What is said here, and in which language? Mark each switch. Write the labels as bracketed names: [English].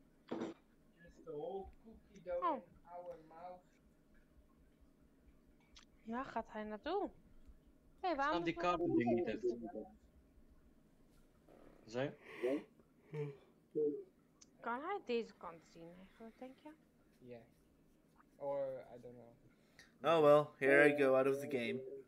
[English] Just the whole cookie dough in our mouth. [Dutch] Ja, gaat hij naartoe? Hey, waarom die kabel ding niet heeft. Zijn? Kan hij deze kant zien eigenlijk, denk je? [English] Ja. Or, I don't know. Oh well, here I go out of the game.